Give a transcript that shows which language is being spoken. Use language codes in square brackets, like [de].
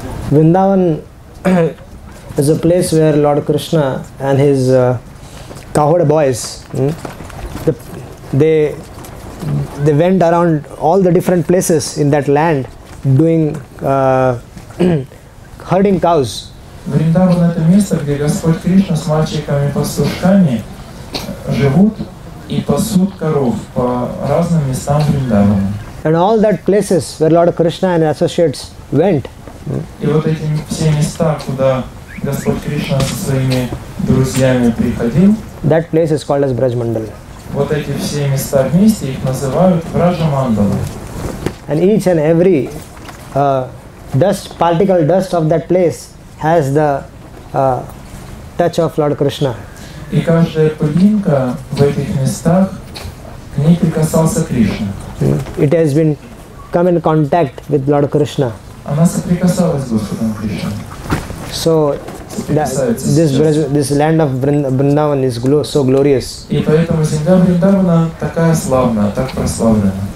[en] Vrindavan is a place where Lord Krishna and his cowherd boys they went around all the different places in that land doing herding cows. [ru] Vrindavan это место, где Господь Кришна с мальчиками пастушками живут и пасут коров по разным местам Вриндавана. [en] And all that places where Lord Krishna and associates went. [ru] И вот эти все места, куда Господь Кришна со своими друзьями приходил. [en] That place is called as Брадж-мандала. [ru] Вот эти все места вместе их называют Брадж-мандала. [en] And each and every dust, particle dust of that place has the touch of Lord Krishna. [ru] И каждая пылинка в этих местах к ней прикасался Кришна. [en] It has been come in contact with Lord Krishna. [ru] Она соприкасалась с Господом Кришна. [en] So this land of Vrindavan is so glorious. [ru] И поэтому земля Вриндавана такая славная, так прославлена.